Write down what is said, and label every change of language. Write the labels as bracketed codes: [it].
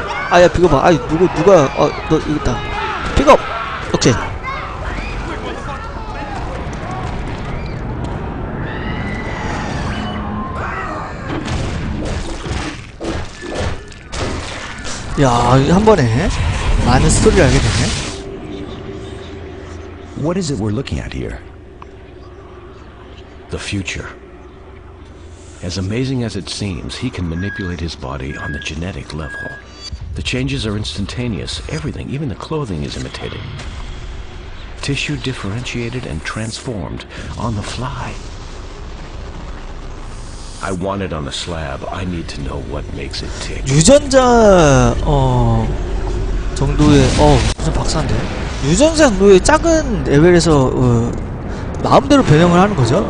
[ko] 아야 픽업, 아이 누가 어, 너 여기 있다. 픽업. 오케이. 야, 한 번에 많은 스토리를 알게 되네. [en] What is it we're looking at here? The future. As amazing as it seems, he can manipulate his body on the genetic level. The changes are instantaneous. Everything, even the clothing, is imitated. Tissue differentiated and transformed on the fly. I want it on the slab. I need to know what makes it tick. [ko] 유전자 어 정도의 어 무슨 박사인데 유전자 정도의 작은 레벨에서 어, 마음대로 변형을 하는 거죠?